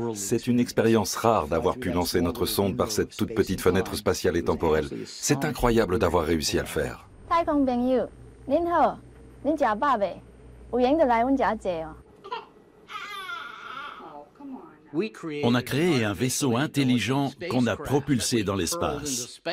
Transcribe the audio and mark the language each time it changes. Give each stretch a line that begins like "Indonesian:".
French: C'est une expérience rare d'avoir pu lancer notre sonde par cette toute petite fenêtre spatiale et temporelle. C'est incroyable d'avoir réussi à le faire.
Min Nan Chinese: 太空朋友, 您好, 您吃饱未? 有闲就来我们家坐哦。
French: On a créé un vaisseau intelligent qu'on a propulsé dans l'espace.